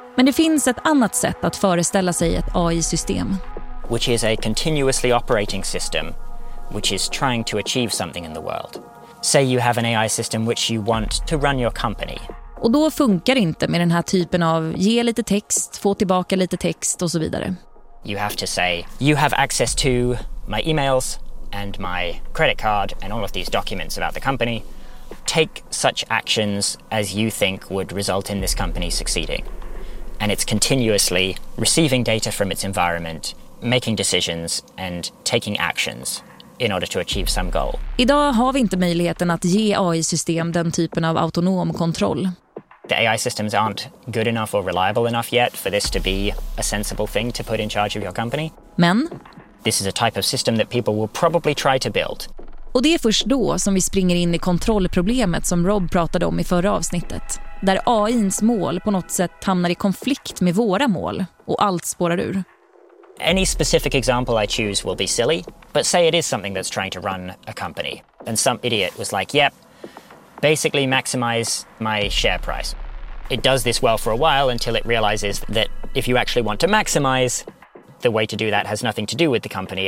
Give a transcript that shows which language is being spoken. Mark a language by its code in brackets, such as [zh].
[sv] Men det finns ett annat sätt att föreställa sig ett AI-system. [en] Which is a continuously operating system which is trying to achieve something in the world. Say you have an AI system which you want to run your company. [sv] Och då funkar det inte med den här typen av ge lite text, få tillbaka lite text och så vidare. [en] You have to say, you have access to my emails and my credit card and all of these documents about the company. Take such actions as you think would result in this company succeeding. And it's continuously receiving data from its environment, making decisions and taking actions in order to achieve some goal. [sv] Idag har vi inte möjligheten att ge AI-system den typen av autonom kontroll. [en] The AI systems aren't good enough or reliable enough yet for this to be a sensible thing to put in charge of your company. [sv] Men [en] this is a type of system that people will probably try to build. [sv] Och det är först då som vi springer in i kontrollproblemet som Rob pratade om i förra avsnittet, där AI:s mål på något sätt hamnar i konflikt med våra mål och allt spårar ur. [en] Any specific example I choose will be silly, but say it is something that's trying to run a company and some idiot was like, "Yep, basically maximize my share price." It does this well for a while until it realizes that if you actually want to maximize, the way to do that has nothing to do with the company.